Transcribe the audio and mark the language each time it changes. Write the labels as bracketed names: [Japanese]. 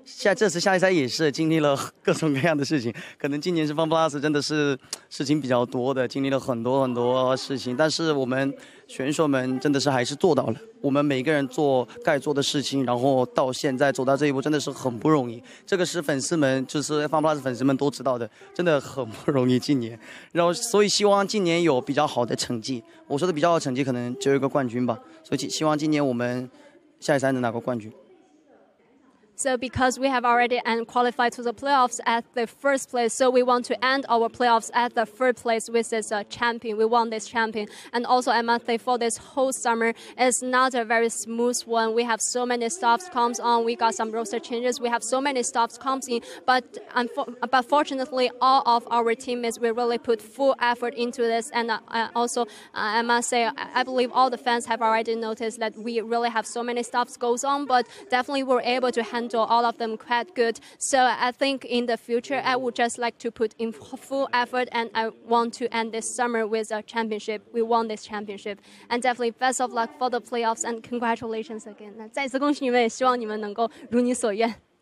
[Chinese] 下这次下一赛也是经历了各种各样的事情，可能今年是FunPlus真的是事情比较多的，经历了很多很多事情，但是我们选手们真的是还是做到了，我们每个人做该做的事情，然后到现在走到这一步真的是很不容易，这个是粉丝们就是 FunPlus 粉丝们都知道的，真的很不容易，今年，然后所以希望今年有比较好的成绩，我说的比较好的成绩可能 就有一个冠军吧，所以希望今年我们下一赛能拿个冠军。 [English] So because we have already qualified to the playoffs at the first place, so we want to end our playoffs at the third place with this champion. We want this champion. And also, I must say, for this whole summer, it's not a very smooth one. We have so many stuffs comes on. We got some roster changes. We have so many stuffs comes in. But fortunately, all of our teammates will really put full effort into this. And I must say, I believe all the fans have already noticed that we really have so many stuffs goes on, but definitely we're able to handle handle all of them quite good. So I think in the future, I would just like to put in full effort and I want to end this summer with a championship. We won this championship. And definitely best of luck for the playoffs and congratulations again. [Chinese] 再次恭喜你们，希望你们能够如你所愿。